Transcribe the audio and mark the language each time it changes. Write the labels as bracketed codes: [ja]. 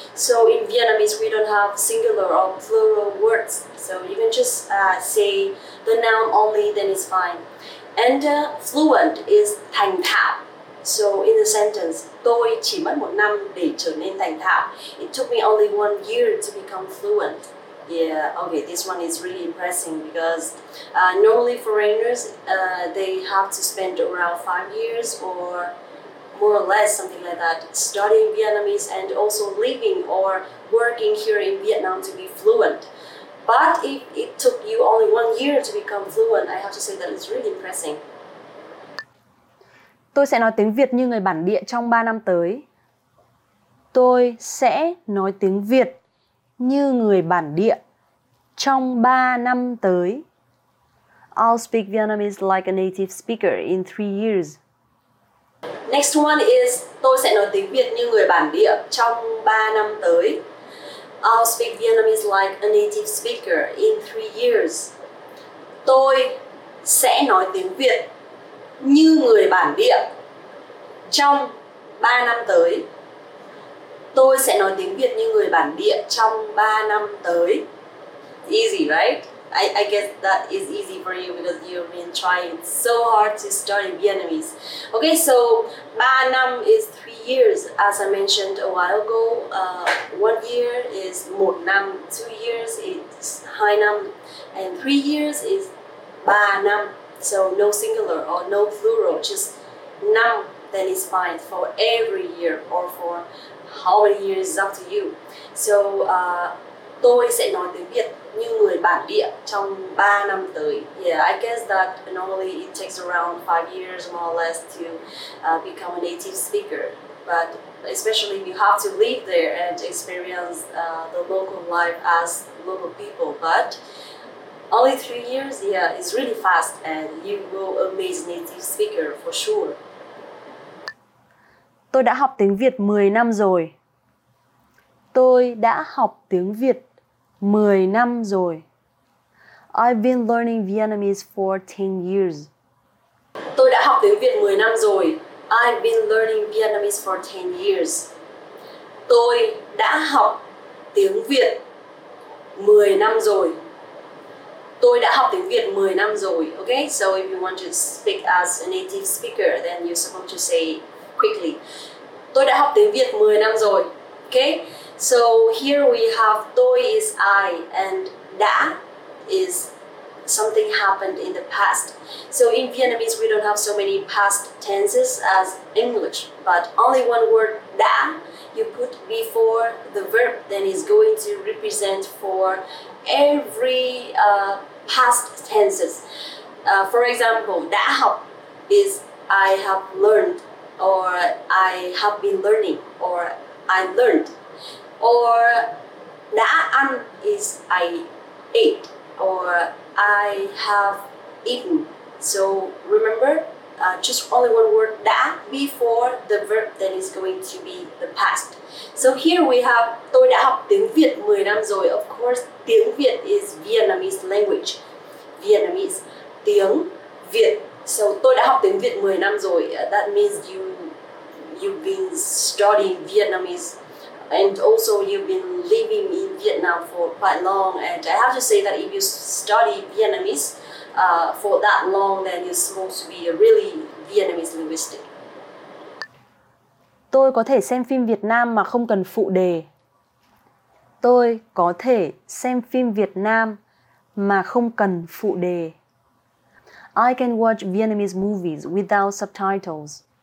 [en] So in Vietnamese, we don't have singular or plural words. So you can just say the noun only, then it's fine. And fluent is [vi] thành thạo. [en] So in the sentence, [vi] tôi chỉ mất một năm để trở nên thành thạo. [en] It took me only 1 year to become fluent. Yeah, okay, this one is really impressive because normally foreigners, they have to spend around 5 years or more or less something like that, studying Vietnamese and also living or working here in Vietnam to be fluent. But if it took you only 1 year to become fluent, I have to say that it's really impressive. [vi] Tôi sẽ nói tiếng Việt như người bản địa trong 3 năm tới. Tôi sẽ nói tiếng Việt như người bản địa trong 3 năm tới. [en] I'll speak Vietnamese like a native speaker in 3 years. Next one is [vi] tôi sẽ nói tiếng Việt như người bản địa trong 3 năm tới. [en] I'll speak Vietnamese like a native speaker in 3 years. [vi] Tôi sẽ nói tiếng Việt như người bản địa trong 3 năm tới. Tôi sẽ nói tiếng Việt như người bản địa trong 3 năm tới. [en] Easy, right? I guess that is easy for you because you've been trying so hard to study Vietnamese. Okay, so 3 năm is 3 years. As I mentioned a while ago, 1 year is 1 năm, 2 years is 2 năm, and 3 years is 3 năm. So no singular or no plural, just năm, then it's fine for every year or for how many years is up to you. [vi] So tôi sẽ nói tiếng Việt như người bản địa trong 3 năm tới. [en] Yeah, I guess that normally it takes around 5 years more or less to become a native speaker. But especially if you have to live there and experience the local life as local people. But Only 3 years, yeah, it's really fast and you will amaze native speaker for sure. [vi] Tôi đã học tiếng Việt 10 năm rồi. Tôi đã học tiếng Việt 10 năm rồi. [en] I've been learning Vietnamese for 10 years. [vi] Tôi đã học tiếng Việt 10 năm rồi. [en] I've been learning Vietnamese for 10 years. [vi] Tôi đã học tiếng Việt 10 năm rồi. Tôi đã học tiếng Việt 10 năm rồi. [en] Okay, so if you want to speak as a native speaker, then you're supposed to say quickly. [vi] Tôi đã học tiếng Việt 10 năm rồi. [en] Okay, so here we have tôi is I and đã is something happened in the past. So in Vietnamese, we don't have so many past tenses as English, but only one word đã you put before the verb, then is going to represent for every past tenses. For example, đã học is I have learned, or I have been learning, or I learned. Or đã ăn is I ate, or I have eaten. So remember, just only one word đã before the verb that is going to be the past. So here we have [vi] tôi đã học tiếng Việt 10 năm rồi. [en] Of course, tiếng Việt is Vietnamese language. [vi] Vietnamese, tiếng Việt. So tôi đã học tiếng Việt 10 năm rồi. [en] That means you've been studying Vietnamese and also you've been living in Vietnam for quite long. And I have to say that if you study Vietnamese for that long, then you're supposed to be a really Vietnamese linguist. [vi] Tôi có thể xem phim Việt Nam mà không cần phụ đề. Tôi có thể xem phim Việt Nam mà không cần phụ đề. [en] I can watch Vietnamese movies without subtitles.